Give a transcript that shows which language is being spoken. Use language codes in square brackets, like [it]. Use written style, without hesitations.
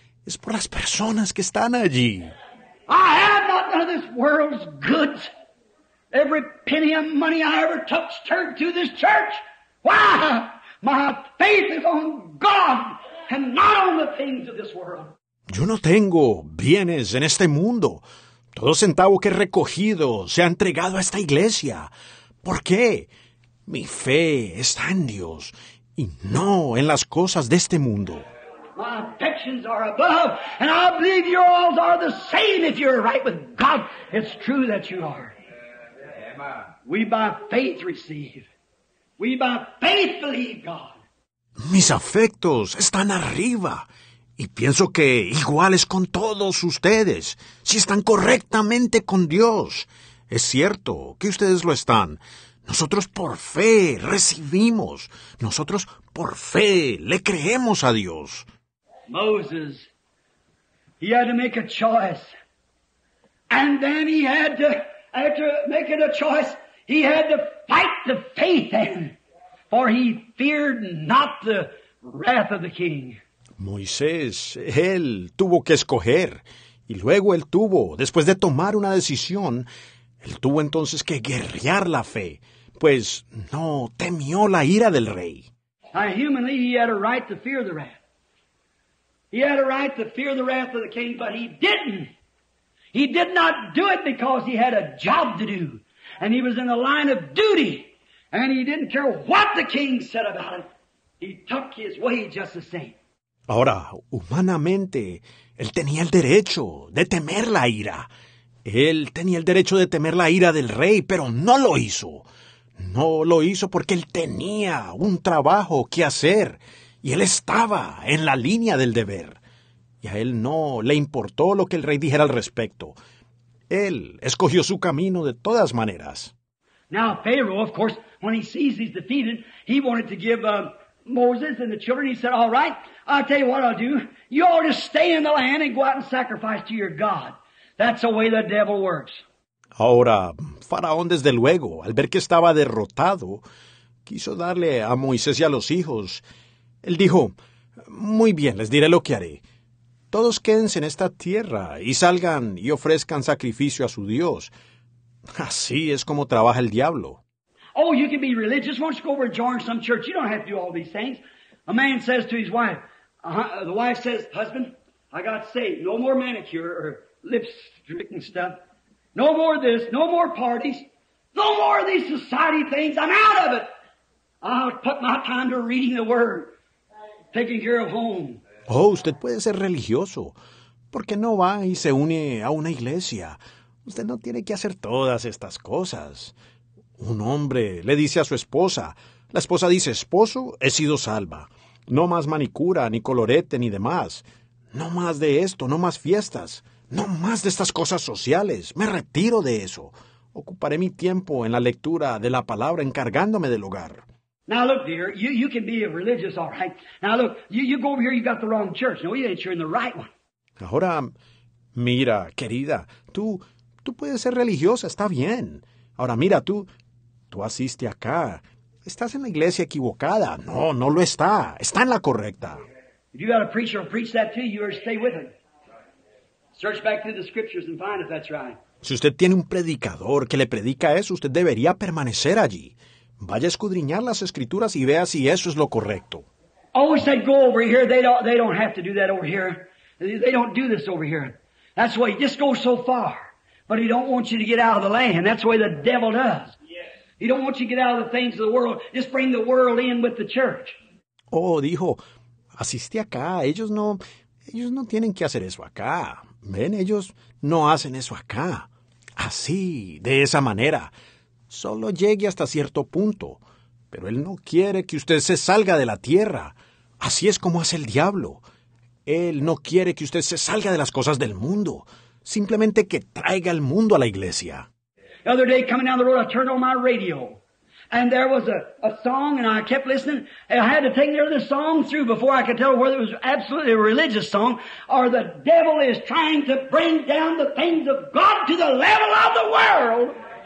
[es] Es por las personas que están allí." [en] I have not none of this world's goods. Every penny of money I ever touched turned to this church. Why? My faith is on God and not on the things of this world. [es] Yo no tengo bienes en este mundo. Todo centavo que he recogido se ha entregado a esta iglesia. ¿Por qué? Mi fe está en Dios y no en las cosas de este mundo. [en] My affections are above, and I believe yours are the same. If you're right with God, it's true that you are. We by faith receive. We by faith believe God. [es] Mis afectos están arriba, y pienso que igual es con todos ustedes. Si están correctamente con Dios, es cierto que ustedes lo están. Nosotros por fe recibimos. Nosotros por fe le creemos a Dios. [en] Moses, he had to make a choice. And then he had to, after making a choice, he had to fight the faith then. For he feared not the wrath of the king. [es] Moisés, él tuvo que escoger. Y luego él tuvo, después de tomar una decisión, él tuvo entonces que guerrear la fe. Pues no temió la ira del rey. [en] Now, humanly, he had a right to fear the wrath. He had a right to fear the wrath of the king, but he didn't. He did not do it because he had a job to do. And he was in the line of duty. And he didn't care what the king said about it. He took his way just the same. [es] Ahora, humanamente, él tenía el derecho de temer la ira. Él tenía el derecho de temer la ira del rey, pero no lo hizo. No lo hizo porque él tenía un trabajo que hacer. Y él estaba en la línea del deber. Y a él no le importó lo que el rey dijera al respecto. Él escogió su camino de todas maneras. [en] Now Pharaoh, of course, when he sees he's defeated, he wanted to give Moses and the children. He said, "All right, I'll tell you what I'll do. You ought to stay in the land and go out and sacrifice to your God. That's the way the devil works." [es] Ahora, Faraón, desde luego, al ver que estaba derrotado, quiso darle a Moisés y a los hijos. Él dijo, "Muy bien, les diré lo que haré. Todos quédense en esta tierra y salgan y ofrezcan sacrificio a su Dios. Así es como trabaja el diablo." [en] Oh, you can be religious. Why don't you go over and join some church? You don't have to do all these things. A man says to his wife, the wife says, "Husband, I got saved. No more manicure or lips drinking stuff. No more this, no more parties. No more of these society things. I'm out of it. I'll put my time to reading the word. Taking care of home." [es] Oh, usted puede ser religioso. ¿Por qué no va y se une a una iglesia? Usted no tiene que hacer todas estas cosas. Un hombre le dice a su esposa. La esposa dice, "Esposo, he sido salva. No más manicura, ni colorete, ni demás. No más de esto, no más fiestas. No más de estas cosas sociales. Me retiro de eso. Ocuparé mi tiempo en la lectura de la palabra encargándome del hogar." [en] Now look, dear, you can be a religious, all right. Now look, you go over here, you got the wrong church. No, you ain't sure in the right one. [es] Ahora, mira, querida, tú puedes ser religiosa, está bien. Ahora, mira, tú asiste acá. Estás en la iglesia equivocada. No, no lo está. Está en la correcta. [en] If you got a preacher who preach that to you, or stay with him. Search back through the scriptures and find if that's right. [es] Si usted tiene un predicador que le predica eso, usted debería permanecer allí. Vaya a escudriñar las escrituras y vea si eso es lo correcto. [en] Oh, said go over here. They don't have to do that over here. They don't do this over here. That's why he just goes so far. But he don't want you to get out of the land. That's the way the devil does. Yes. He don't want you to get out of the things of the world. Just bring the world in with the church. [es] Oh, dijo, asiste acá. Ellos no tienen que hacer eso acá. Ven, ellos no hacen eso acá. Así, de esa manera. Solo llegue hasta cierto punto. Pero él no quiere que usted se salga de la tierra. Así es como hace el diablo. Él no quiere que usted se salga de las cosas del mundo. Simplemente que traiga el mundo a la iglesia. [en] The other day, coming down the road, I turned on my radio. And there was a song, and I kept listening. And I had to take the other song through before I could tell whether it was absolutely a religious song or the devil is trying to bring down the things of God to the level of the world.